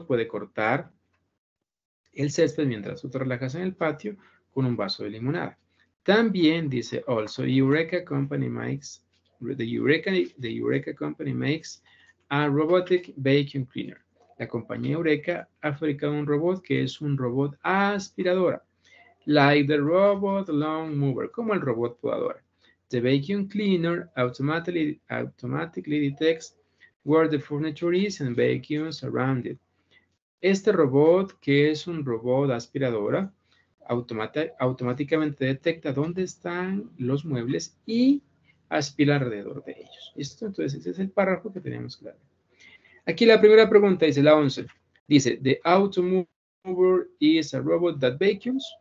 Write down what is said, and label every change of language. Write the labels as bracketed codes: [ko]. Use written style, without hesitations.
[es] Este robot puede cortar el césped mientras tú te relajas en el patio con un vaso de limonada. También dice, [en] also, the Eureka Company makes a robotic vacuum cleaner. [es] La compañía Eureka ha fabricado un robot que es un robot aspiradora. [en] Like the robot lawn mover, [es] como el robot podador. [en] The vacuum cleaner automatically detects where the furniture is and vacuums around it. [es] Este robot, que es un robot aspiradora, automáticamente detecta dónde están los muebles y aspira alrededor de ellos. ¿Listo? Entonces, ese es el párrafo que tenemos claro. Aquí la primera pregunta dice, la 11, dice, [en] the automover is a robot that vacuums.